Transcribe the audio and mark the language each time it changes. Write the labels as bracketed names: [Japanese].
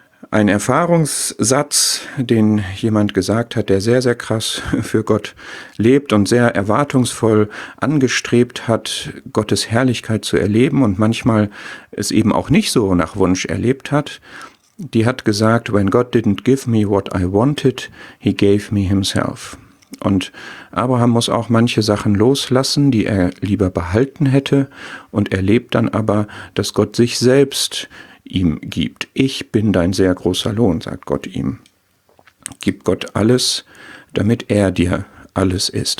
[German] Ein Erfahrungssatz, den jemand gesagt hat, der sehr, sehr krass für Gott lebt und sehr erwartungsvoll angestrebt hat, Gottes Herrlichkeit zu erleben und manchmal es eben auch nicht so nach Wunsch erlebt hat. Die hat gesagt, [English] "When God didn't give me what I wanted, he gave me himself." [German] Und Abraham muss auch manche Sachen loslassen, die er lieber behalten hätte und erlebt dann aber, dass Gott sich selbst ihm gibt. Ich bin dein sehr großer Lohn, sagt Gott ihm. Gib Gott alles, damit er dir alles ist.